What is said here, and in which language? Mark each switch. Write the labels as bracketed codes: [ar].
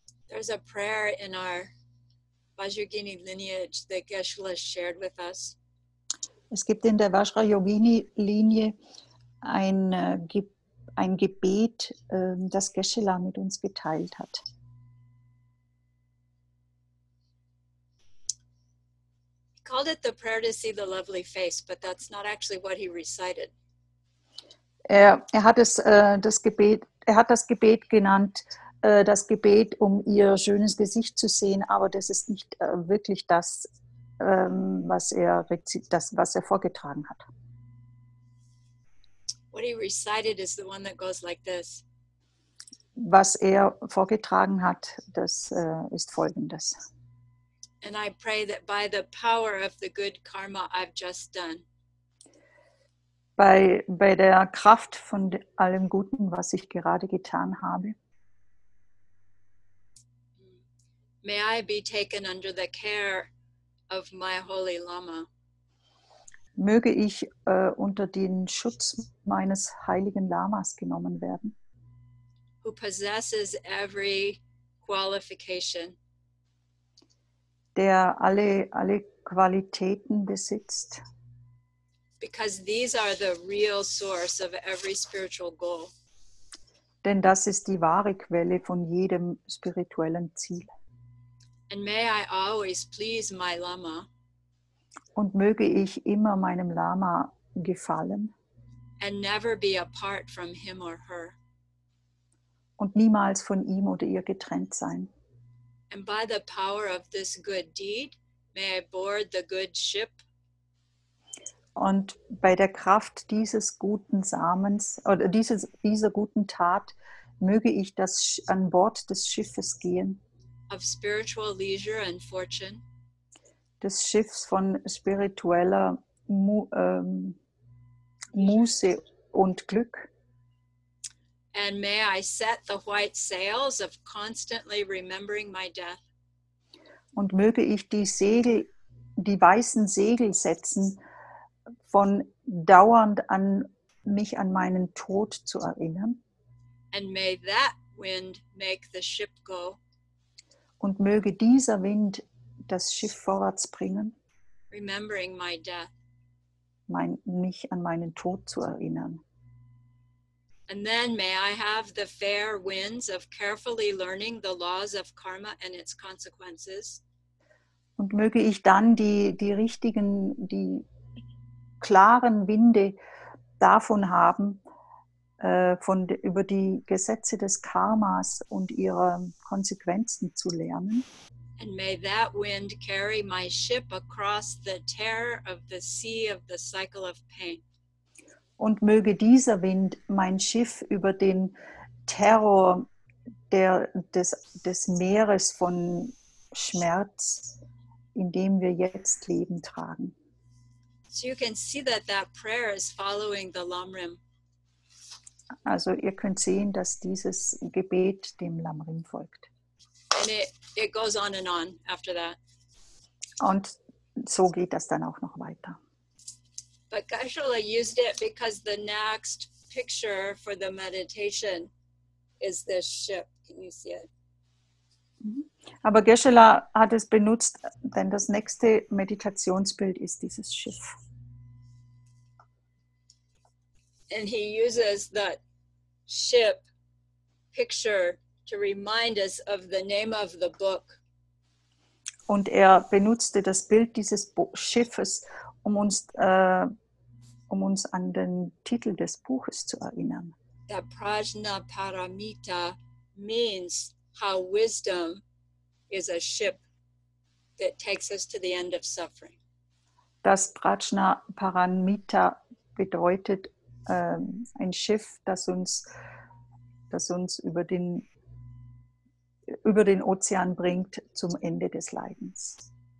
[en] There's a prayer in our Vajrayogini lineage that Geshe-la shared with us. [de] Es gibt in der Vajrayogini-Linie ein Gebet, das Geshe-la mit uns geteilt hat. [en] He called it the prayer to see the lovely face, but that's not actually what he recited. [de] Er hat das Gebet genannt, das Gebet, um ihr schönes Gesicht zu sehen, aber das ist nicht wirklich das, was er vorgetragen hat. [en] What he recited is the one that goes like this. [de] Was er vorgetragen hat, das ist folgendes. [en] And I pray that by the power of the good karma I've just done. [de] Bei der Kraft von allem Guten, was ich gerade getan habe. [en] May I be taken under the care of my holy Lama. [de] Möge ich unter den Schutz meines heiligen Lamas genommen werden. [en] Who possesses every qualification. [de] Der alle Qualitäten besitzt. [en] Because these are the real source of every spiritual goal. [de] Denn das ist die wahre Quelle von jedem spirituellen Ziel. [en] And may I always please my Lama. [de] Und möge ich immer meinem Lama gefallen. [en] And never be apart from him or her. [de] Und niemals von ihm oder ihr getrennt sein. [en] And by the power of this good deed, may I board the good ship. [de] Und bei der Kraft dieses guten Samens oder dieser guten Tat möge ich das an Bord des Schiffes gehen. [en] Of spiritual leisure and fortune. [de] Des Schiffs von spiritueller Muße und Glück. [en] And may I set the white sails of constantly remembering my death. [de] Und möge ich die weißen Segel setzen, von dauernd an mich an meinen Tod zu erinnern. [en] And may that wind make the ship go. [de] Und möge dieser Wind das Schiff vorwärts bringen, [en] remembering my death. [de] Mich an meinen Tod zu erinnern. [en] And then may I have the fair winds of carefully learning the laws of karma and its consequences. [de] Und möge ich dann die klaren Winde davon haben, über die Gesetze des Karmas und ihrer Konsequenzen zu lernen. [en] And may that wind carry my ship across the terror of the sea of the cycle of pain. [de] Und möge dieser Wind mein Schiff über den Terror des Meeres von Schmerz, in dem wir jetzt leben, tragen. [en] So you can see that prayer is following the Lamrim. [de] Also ihr könnt sehen, dass dieses Gebet dem Lamrim folgt. [en] And it goes on and on after that. [de] Und so geht das dann auch noch weiter. [en] But Geshe-la used it because the next picture for the meditation is this ship. Can you see it? [de] Aber Geshe-la hat es benutzt, denn das nächste Meditationsbild ist dieses Schiff. [en] And he uses that ship picture to remind us of the name of the book. [de] Und er benutzte das Bild dieses Schiffes, um uns an den Titel des Buches zu erinnern. [en] That Prajnaparamita means how wisdom is a ship that takes us to the end of suffering. [de] Das Prajnaparamita bedeutet ein Schiff, das uns über den Ozean bringt zum Ende des Leidens.